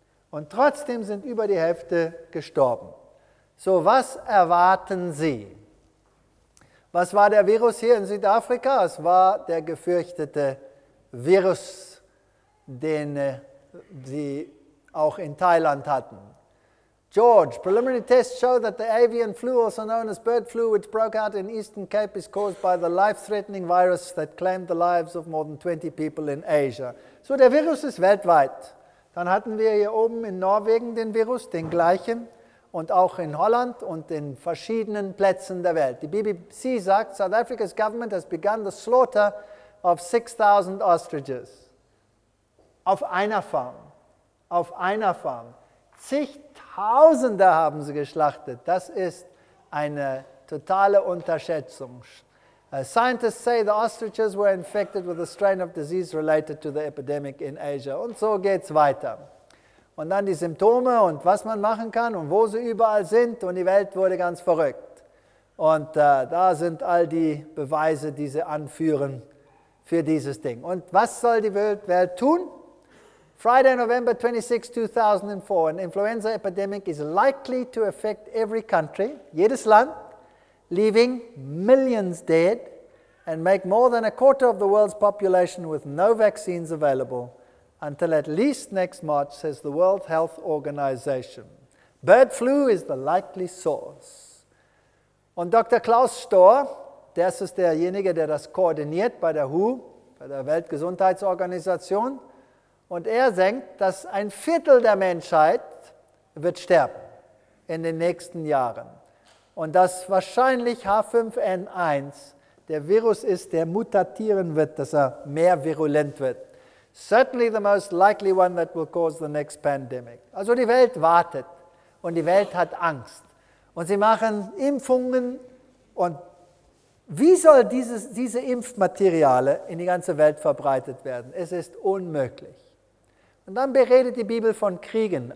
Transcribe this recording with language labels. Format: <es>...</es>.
<de>Und trotzdem sind über die Hälfte gestorben. So, was erwarten Sie? Was war der Virus hier in Südafrika? Es war der gefürchtete Virus, den sie auch in Thailand hatten.</de> <en>George, preliminary tests show that the avian flu, also known as bird flu, which broke out in Eastern Cape, is caused by the life-threatening virus that claimed the lives of more than 20 people in Asia.</en> <de>So, der Virus ist weltweit. Dann hatten wir hier oben in Norwegen den Virus, den gleichen, und auch in Holland und in verschiedenen Plätzen der Welt. Die BBC sagt,</de> <en>South Africa's government has begun the slaughter of 6,000 ostriches.</en> <de>Auf einer Farm. Zigtausende haben sie geschlachtet. Das ist eine totale Unterschätzung.</de> <en>Scientists say the ostriches were infected with a strain of disease related to the epidemic in Asia.</en> <de>Und so geht's weiter. Und dann die Symptome und was man machen kann und wo sie überall sind. Und die Welt wurde ganz verrückt. Und da sind all die Beweise, die sie anführen für dieses Ding. Und was soll die Welt tun?</de> <en>Friday, November 26, 2004, an influenza epidemic is likely to affect every country,</en> <de>jedes Land,</de> <en>leaving millions dead and make more than a quarter of the world's population with no vaccines available until at least next March, says the World Health Organization. Bird flu is the likely source.</en> <de>Und Dr. Klaus Stohr, das ist derjenige, der das koordiniert bei der WHO, bei der Weltgesundheitsorganisation, und er denkt, dass ein Viertel der Menschheit wird sterben in den nächsten Jahren. Und dass wahrscheinlich H5N1 der Virus ist, der mutatieren wird, dass er mehr virulent wird.</de> <en>Certainly the most likely one that will cause the next pandemic.</en> <de>Also die Welt wartet und die Welt hat Angst. Und sie machen Impfungen. Und wie soll diese Impfmateriale in die ganze Welt verbreitet werden? Es ist unmöglich. Und dann beredet die Bibel von Kriegen.</de>